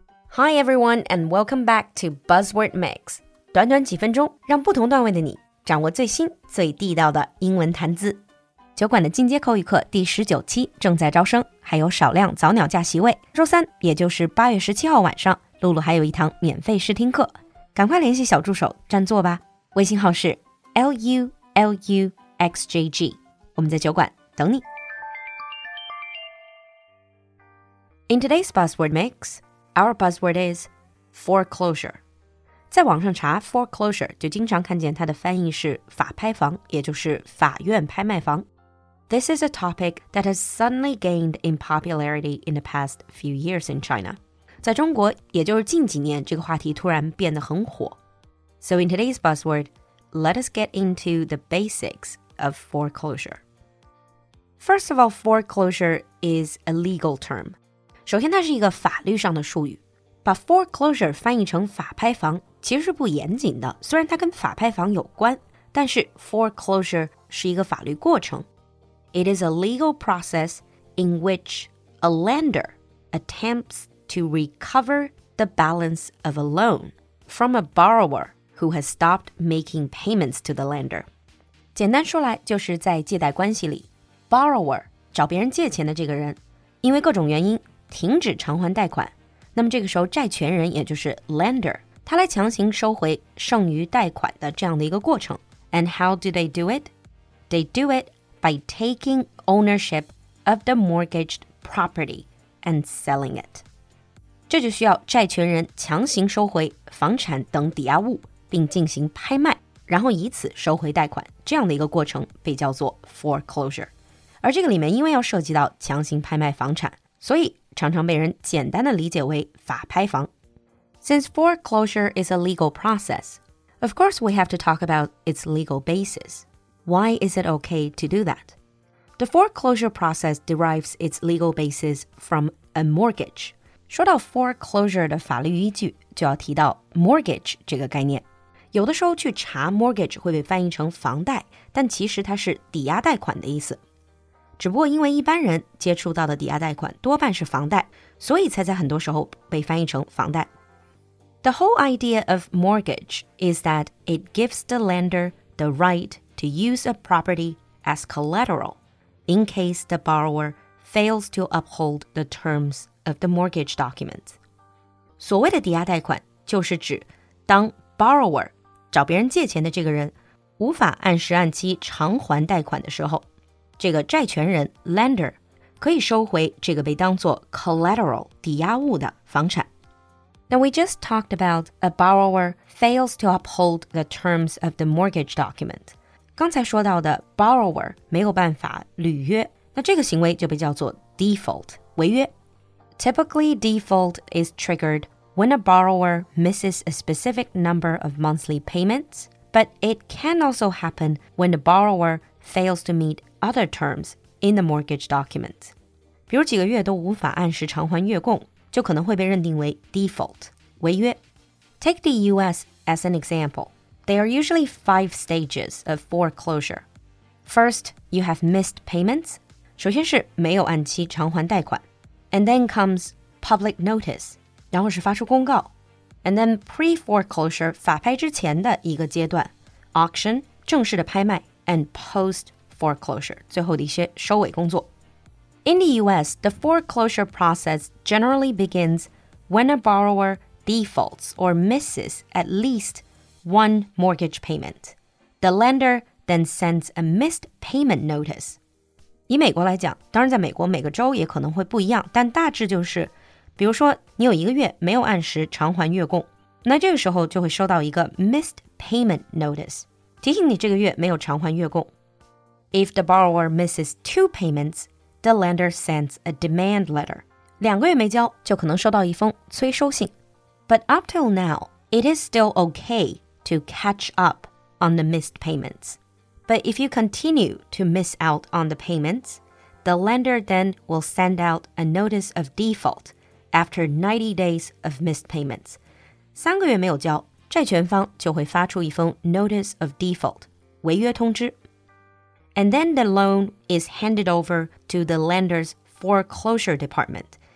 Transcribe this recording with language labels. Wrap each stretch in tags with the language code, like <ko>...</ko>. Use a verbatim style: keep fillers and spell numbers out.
<en>Hi everyone and welcome back to Buzzword Mix.</en> <zh>短短几分钟，让不同段位的你掌握最新最地道的英文谈资。酒馆的进阶口语课第十九期正在招生，还有少量早鸟价席位。周三，也就是八月十七号晚上，露露还有一堂免费试听课，赶快联系小助手占座吧。微信号是 L U L U X J G， 我们在酒馆等你。</zh> <en>In today's Buzzword Mix,Our buzzword is foreclosure.</en> <zh>在网上查 foreclosure 就经常看见它的翻译是法拍房，也就是法院拍卖房。</zh> <en>This is a topic that has suddenly gained in popularity in the past few years in China.</en> <zh>在中国，也就是近几年，这个话题突然变得很火。</zh> <en>So in today's buzzword, let us get into the basics of foreclosure. First of all, foreclosure is a legal term.</en> <zh>首先它是一个法律上的术语，把 foreclosure 翻译成法拍房其实是不严谨的，虽然它跟法拍房有关，但是 foreclosure 是一个法律过程。</zh> <en>It is a legal process in which a lender attempts to recover the balance of a loan from a borrower who has stopped making payments to the lender.</en> <zh>简单说来就是在借贷关系里 borrower 找别人借钱的这个人，因为各种原因停止偿还贷款，那么这个时候债权人也就是 lender， 他来强行收回剩余贷款的这样的一个过程。</zh> <en>And how do they do it? They do it by taking ownership of the mortgaged property and selling it.</en> <zh>这就需要债权人强行收回房产等抵押物，并进行拍卖，然后以此收回贷款，这样的一个过程被叫做 foreclosure。而这个里面因为要涉及到强行拍卖房产，所以常常被人简单地理解为法拍房。</zh> <en>Since foreclosure is a legal process, of course we have to talk about its legal basis. Why is it okay to do that? The foreclosure process derives its legal basis from a mortgage.</en> <zh>说到 foreclosure 的法律依据，就要提到 mortgage 这个概念。有的时候去查 mortgage 会被翻译成房贷，但其实它是抵押贷款的意思。只不过因为一般人接触到的抵押贷款多半是房贷，所以才在很多时候被翻译成房贷。</zh> <en>The whole idea of mortgage is that it gives the lender the right to use a property as collateral in case the borrower fails to uphold the terms of the mortgage document.</en> <zh>所谓的抵押贷款就是指当 borrower 找别人借钱的这个人无法按时按期偿还贷款的时候，这个债权人 lender 可以收回这个被当作 collateral 抵押物的房产。</zh> <en>Now we just talked about a borrower fails to uphold the terms of the mortgage document.</en> <zh>刚才说到的 borrower 没有办法履约，那这个行为就被叫做 default 违约。</zh> <en>Typically, default is triggered when a borrower misses a specific number of monthly payments, but it can also happen when the borrower fails to meet other terms in the mortgage document.</en> <zh>比如几个月都无法按时偿还月供，就可能会被认定为 default 违约。</zh> <en>Take the U S as an example. There are usually five stages of foreclosure. First, you have missed payments.</en> <zh>首先是没有按期偿还贷款。</zh> <en>And then comes public notice.</en> <zh>然后是发出公告。</zh> <en>And then pre-foreclosure</en> <zh>法拍之前的一个阶段。 Auction 正式的拍卖。</zh> <en>And post-foreclosure. Foreclosure,</en> <zh>最后的一些收尾工作。</zh> <en>In the U S, the foreclosure process generally begins when a borrower defaults or misses at least one mortgage payment. The lender then sends a missed payment notice.</en> <zh>以美国来讲，当然在美国每个州也可能会不一样，但大致就是，比如说你有一个月没有按时偿还月供，那这个时候就会收到一个 missed payment notice， 提醒你这个月没有偿还月供。</zh> <en>If the borrower misses two payments, the lender sends a demand letter.</en> <zh>两个月没交就可能收到一封催收信。</zh> <en>But up till now, it is still okay to catch up on the missed payments. But if you continue to miss out on the payments, the lender then will send out a notice of default after ninety days of missed payments.</en> <zh>三个月没有交，债权方就会发出一封 notice of default, 违约通知。</zh> <en>And then the loan is handed over to the lender's foreclosure department.</en>